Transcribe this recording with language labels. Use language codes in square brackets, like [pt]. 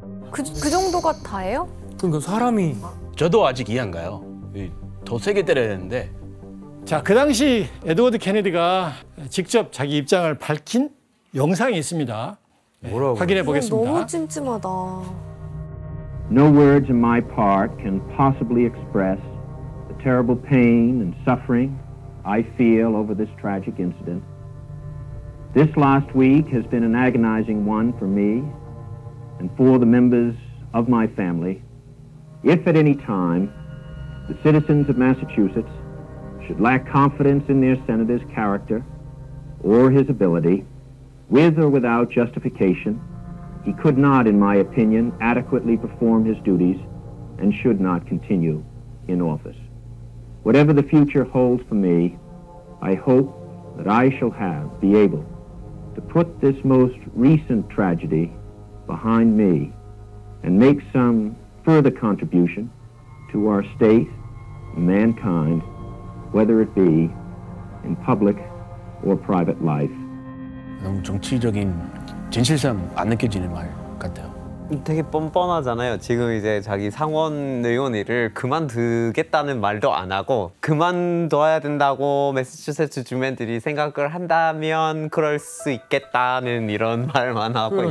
[ko] 그 정도가 다예요? 그러니까 사람이... 저도 아직 이해 안 가요. 더 세게 때려야 되는데. 자, 그 당시 에드워드 케네디가 직접 자기 입장을 밝힌 영상이 있습니다. 뭐라고 네, 확인해 보겠습니다. 너무 찜찜하다. [en] No words on my part can possibly express the terrible pain and suffering I feel over this tragic incident. This last week has been an agonizing one for me and for the members of my family. If at any time the citizens of Massachusetts should lack confidence in their senator's character or his ability, with or without justification, he could not, in my opinion, adequately perform his duties and should not continue in office. Whatever the future holds for me, I hope that I shall be able to put this most recent tragedy behind me and make some further contribution to our state, mankind, whether it be in public or private life. [ko] 너무 정치적인 진실성 안 느껴지는 말 같아요. 되게 뻔뻔하잖아요. 지금 이제 자기 상원 의원 일을 그만두겠다는 말도 안 하고 그만둬야 된다고 매사추세츠 주민들이 생각을 한다면 그럴 수 있겠다는 이런 말만 하고 그러니까요.